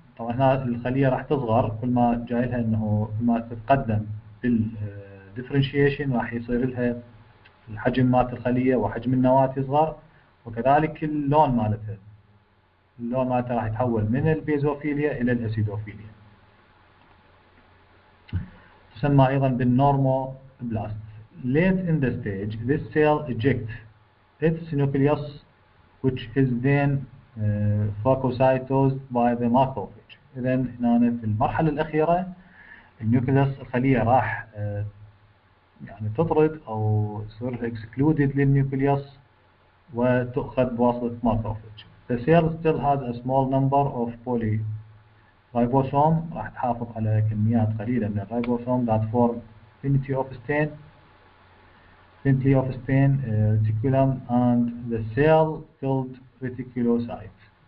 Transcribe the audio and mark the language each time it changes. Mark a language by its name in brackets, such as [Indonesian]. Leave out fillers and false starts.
[Arabic] طبعا هنا الخلية راح تصغر كل ما جاي لها انه كل ما تتقدم بالديفرنشيشن راح يصير لها الحجم مالت الخلية وحجم النواة يصغر وكذلك اللون مالتها راح يتحول من البيزوفيليا الى الاسيدوفيليا تسمى ايضا بالنورمو بلاست. [English] Late in the stage this cell ejects its nucleus which is then phagocytosed by the macrophage. [Arabic] إذا هنا في المرحلة الأخيرة النيوكليوس الخلية راح يعني تطرد أو تصير excluded للنيوكليوس وتأخذ بواسطة macrophage. [English] The cell still has a small number of polyribosome [Arabic] راح تحافظ على كميات قليلة من الريبوسوم [English] that form plenty of stain reticulum and the cell filled reticulocyte.